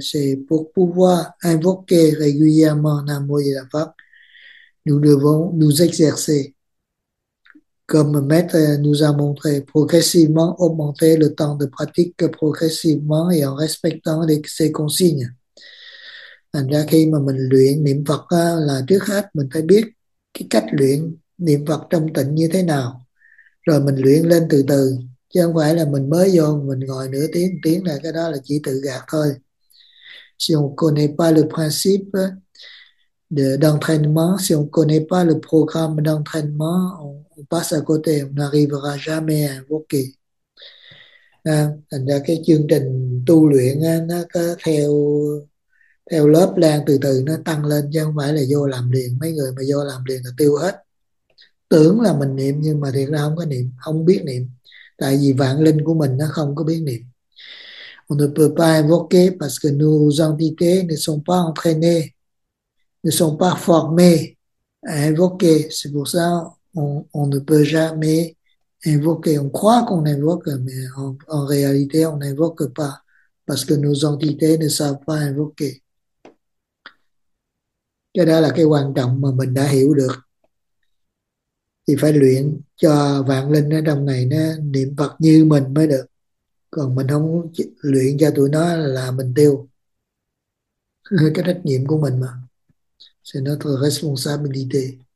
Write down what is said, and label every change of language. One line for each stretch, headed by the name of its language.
French: C'est pour pouvoir invoquer régulièrement Namo Yadava. Nous devons nous exercer. Comme Maître nous a montré, progressivement augmenter le temps de pratique progressivement et en respectant ses consignes.
Vietnamese: Thành ra khi mà mình luyện niệm Phật là trước hết mình phải biết cái cách luyện niệm Phật trong tịnh như thế nào. Rồi mình luyện lên từ từ. Chứ không phải là mình mới vô mình ngồi nửa tiếng tiếng là cái đó là chỉ tự gạt thôi.
French: Si on connaît pas le principe d'entraînement, si on connaît pas le programme d'entraînement, on passe à côté, on n'arrivera jamais à invoquer.
Vietnamese: Thành ra cái chương trình tu luyện nó có theo theo lớp lan từ từ nó tăng lên, chứ không phải là vô làm liền. Mấy người mà vô làm liền là tiêu hết. Tưởng là mình niệm nhưng mà thiệt ra không có niệm, không biết niệm. Tại vì vạn linh của mình nó không có biết niệm.
French: On ne peut pas invoquer parce que nos entités ne sont pas entraînées, ne sont pas formées à invoquer. C'est pour ça on ne peut jamais invoquer. On croit qu'on invoque, mais en réalité, on n'invoque pas parce que nos entités ne savent pas invoquer.
Vietnamese: Cái đó là cái quan trọng mà mình đã hiểu được. Thì phải luyện cho vạn linh ở trong này nó niệm Phật như mình mới được, còn mình không luyện cho tụi nó là mình tiêu. Cái trách nhiệm của mình mà,
French: c'est notre responsabilité.